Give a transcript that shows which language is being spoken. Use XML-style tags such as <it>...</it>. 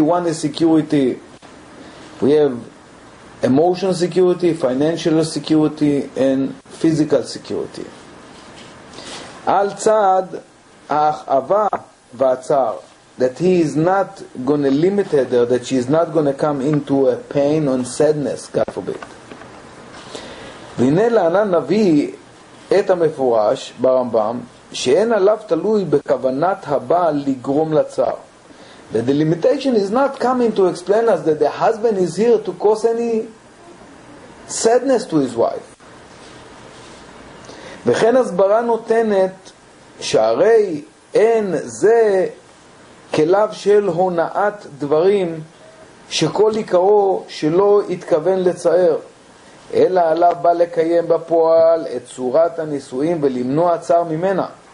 <en>One is security, we have emotional security, financial security, and physical security. Al tzad ahava v'atzar, that he is not going to limit her, that she is not going to come into a pain and sadness, God forbid.</en> <he>V'hine la'anan navi et ha'mefurash barambam, שאין עליו תלוי בכוונת הבעל לגרום לצער.</he> <en>That the limitation is not coming to explain us that the husband is here to cause any sadness to his wife.</en> <he>וכן הסברה נותנת שהרי אין זה כלב של הונאת דברים שכל עיקרו שלא התכוון לצער. אלא עליו בא לקיים בפועל את צורת הנישואים ולמנוע צער ממנה.</he>